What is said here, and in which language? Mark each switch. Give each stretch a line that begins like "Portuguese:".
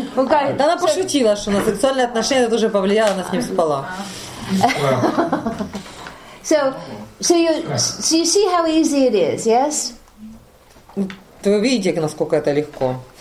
Russian: Да она пошутила, что на сексуальные отношения это тоже повлияло, она с ним спала.
English: So you see how easy it is, yes?
Russian: То вы видите, насколько это легко.